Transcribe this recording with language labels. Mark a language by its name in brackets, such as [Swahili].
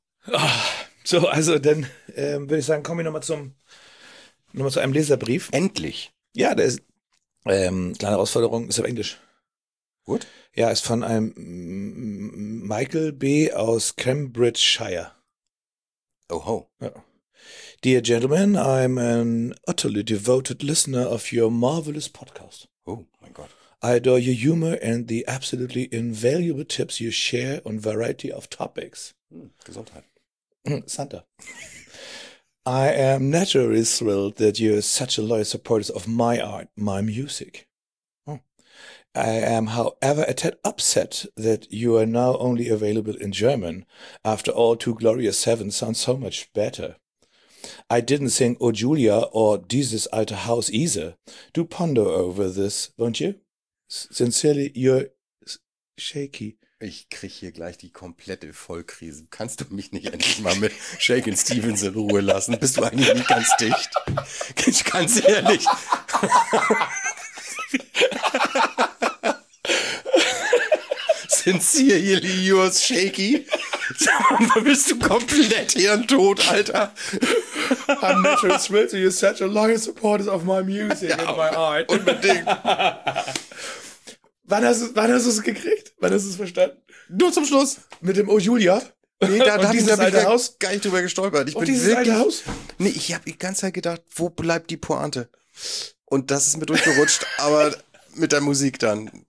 [German] Ach, so, also dann würde ich sagen, komme ich nochmal zu einem Leserbrief. Endlich. Ja, der ist kleine Herausforderung, ist auf Englisch. Gut. Ja, ist von einem Michael B. aus Cambridgeshire. Oh ho. Ja. [English] Dear gentlemen, I'm an utterly devoted listener of your marvelous podcast. [German] Oh mein Gott. [English] I adore your humor and the absolutely invaluable tips you share on variety of topics. [German] Gesundheit. Santa. [English] I am naturally thrilled that you're such a loyal supporter of my art, my music. Oh. I am, however, a tad upset that you are now only available in German. After all, Two Glorious Seven sounds so much better. I didn't sing O Julia or Dieses alte Haus either. Do ponder over this, won't you? Sincerely, you're shaky. [German] Ich kriege hier gleich die komplette Vollkrise. Kannst du mich nicht endlich mal mit Shake and Stevens in Ruhe lassen? Bist du eigentlich nicht ganz dicht? Ganz ehrlich. [English] Sincerely, you're shaky. [German] Bist du komplett hirntot, Alter? [English] I'm naturally thrilled to you, such a loyal supporter of my music ja, and my art. [German] Unbedingt. Wann hast du es gekriegt? Wann hast du es verstanden? Nur zum Schluss. Mit dem O Julia? Nee, da bin ich da gar nicht drüber gestolpert. Ich und bin wirklich, alte Haus? Nee, ich habe die ganze Zeit gedacht, wo bleibt die Pointe? Und das ist mir durchgerutscht, aber mit der Musik dann.